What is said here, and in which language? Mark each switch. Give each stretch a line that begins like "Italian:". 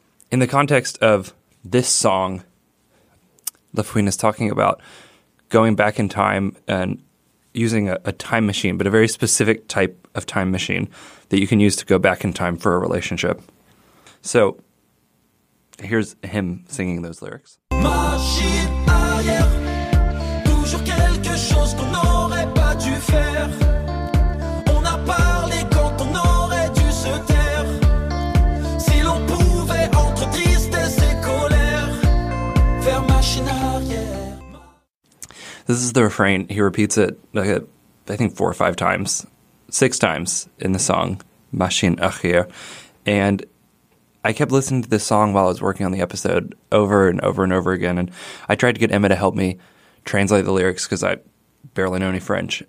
English: In the context of this song, Lafouine is talking about going back in time and using a time machine, but a very specific type of time machine that you can use to go back in time for a relationship. So here's him singing those lyrics.
French: Machine arrière, toujours quelque chose qu'on n'aurait pas dû faire. On a parlé quand on aurait dû se taire. Si l'on pouvait entre tristesse et colère faire machine arrière.
English: This is the refrain. He repeats it, like, I think, six times in the song, Machine Arrière. And I kept listening to this song while I was working on the episode over and over and over again. And I tried to get Emma to help me translate the lyrics because I barely know any French.